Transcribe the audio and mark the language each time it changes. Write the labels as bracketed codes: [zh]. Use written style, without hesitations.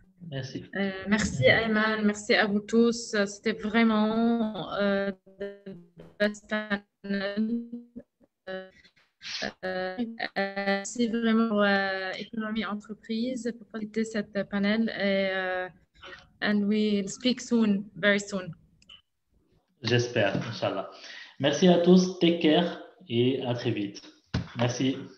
[fr] Merci. Merci Ayman, merci à vous tous. C'était vraiment le best panel. Merci vraiment Économie Entreprise pour faciliter cette panel. [en] And we'll speak soon, very soon. [fr] J'espère, Inch'Allah. Merci à tous, [en] take care [fr] et à très vite. Merci.